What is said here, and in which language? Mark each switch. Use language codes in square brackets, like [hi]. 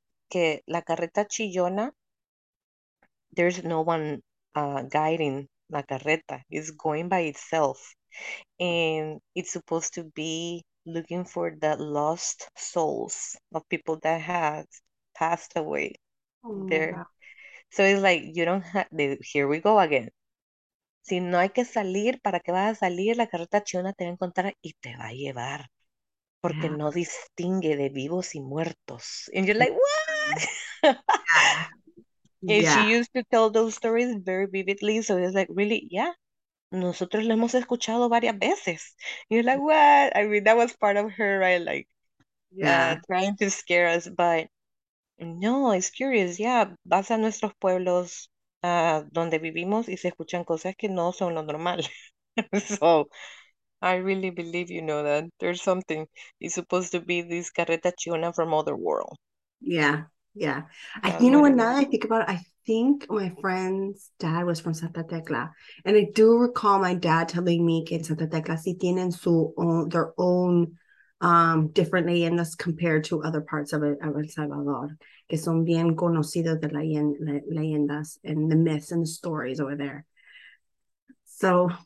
[es] Que la carreta chillona, [en] there's no one guiding [es] la carreta. [en] It's going by itself. And it's supposed to be looking for the lost souls of people that have passed away there. So it's like, you don't have, here we go again. [es] Si no hay que salir, ¿para qué vas a salir? La carreta chillona te va a encontrar y te va a llevar. Porque no distingue de vivos y muertos. [en] And you're like, what? And she used to tell those stories very vividly. So it's like, really, yeah. [es] Nosotros lo hemos escuchado varias veces. [en] You're like, what? I mean, that was part of her, right? Like, trying to scare us. But no, it's curious. [es] Yeah, vas a nuestros pueblos donde vivimos y se escuchan cosas que no son lo normal. [en] So I really believe you know that there's something. It's supposed to be this carreta chiona from other world. I, That's you know what it now that I is. think about it, I think my friend's dad was from Santa Tecla, and I do recall my dad telling me [es] que en Santa Tecla sí tienen su [en] own, their own different leyendas compared to other parts of El Salvador, [es] que son bien conocidos de leyendas [en] and the myths and the stories over there. So I